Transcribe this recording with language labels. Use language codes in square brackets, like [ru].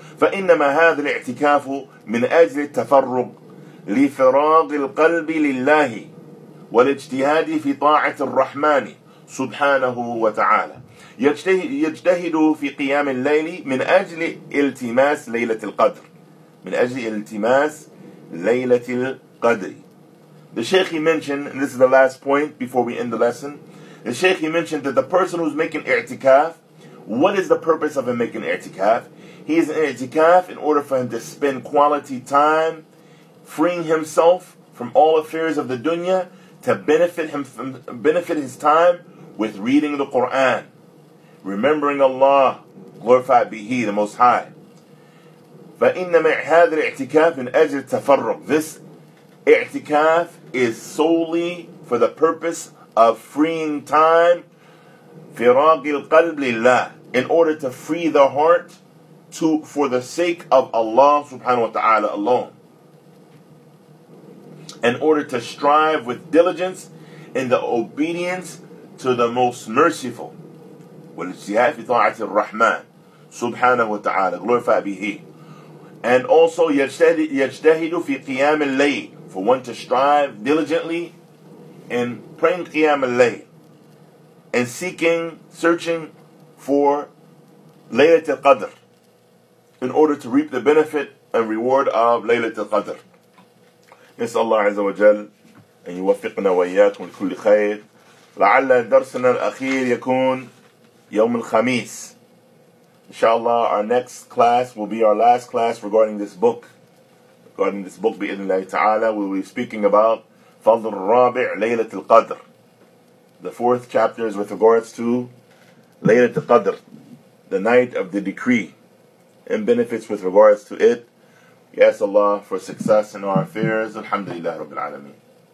[ar] فَإِنَّمَا هَذَا الْاِعْتِكَافُ مِنْ أَجْلِ التَّفَرُّغِ لِفِرَاغِ الْقَلْبِ لِلَّهِ والاجتهاد في طاعة الرحمن سبحانه وتعالى يجتهد في قيام الليل من أجل التماس ليلة القدر من أجل التماس ليلة القدر. [en] The Shaykh, he mentioned, and this is the last point before we end the lesson, the Shaykh, he mentioned that the person who's making i'tikaf, what is the purpose of him making i'tikaf? He is in i'tikaf in order for him to spend quality time freeing himself from all affairs of the dunya, to benefit him, benefit his time with reading the Qur'an, remembering Allah, glorified be He, the Most High. [ar] فَإِنَّمَا هَذَا الْاِعْتِكَافِ مِنْ أَجْلِ التَّفَرُّغِ. [en] This i'tikaf is solely for the purpose of freeing time, [ar] فِرَاقِ الْقَلْبِ لِلَّهِ, [en] in order to free the heart to for the sake of Allah subhanahu wa ta'ala alone, in order to strive with diligence in the obedience to the Most Merciful. [ar] وَالْجِهَادِ فِي طَاعَةِ الرَّحْمَنِ سُبْحَانَهُ وَتَعَالَى [en] glorified be He. And also [ar] يَجْتَهِدُ فِي قِيَامِ اللَّيْلِ, [en] for one to strive diligently in praying قِيَامِ اللَّيْلِ and seeking, searching for لَيْلَةِ الْقَدْرِ, in order to reap the benefit and reward of لَيْلَةِ الْقَدْرِ. [ar] نسأل الله عز وجل أن يوفقنا وإياكم لكل خير. لعل درسنا الأخير يكون يوم الخميس. [en] إن شاء الله, our next class will be our last class regarding this book. Regarding this book [ar] بإذن الله تعالى, [en] we will be speaking about [ar] فضل الرابع ليلة القدر. [en] The fourth chapter is with regards to Laylatul Qadr, the night of the decree, and benefits with regards to it. We ask Allah for success in our affairs. Alhamdulillah Rabbil Alameen.